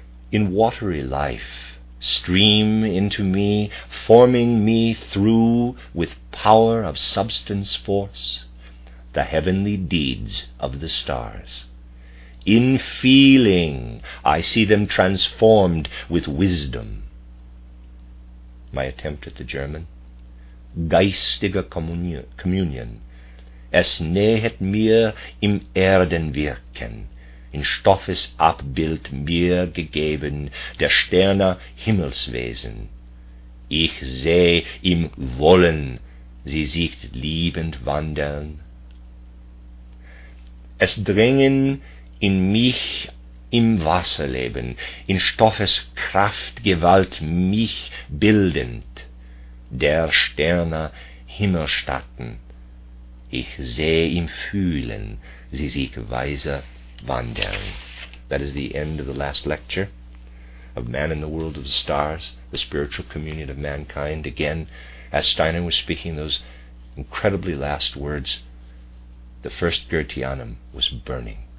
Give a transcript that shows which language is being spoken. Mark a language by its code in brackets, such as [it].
[en] In watery life stream into me, forming me through with power of substance force, the heavenly deeds of the stars. In feeling I see them transformed with wisdom. My attempt at the German. [de] Geistige Kommunion, es nähet mir im Erdenwirken, in Stoffes Abbild mir gegeben, der Sterne Himmelswesen. Ich seh im Wollen, sie sich liebend wandeln. Es dringen in mich im Wasserleben, in Stoffes Kraftgewalt mich bildend, der Sterne Himmelstatten, ich seh im Fühlen, sie sich weiser wandern. [en] That is the end of the last lecture of Man in the World of the Stars, the Spiritual Communion of Mankind. Again, as Steiner was speaking those incredibly last words, the first Goetheanum was burning.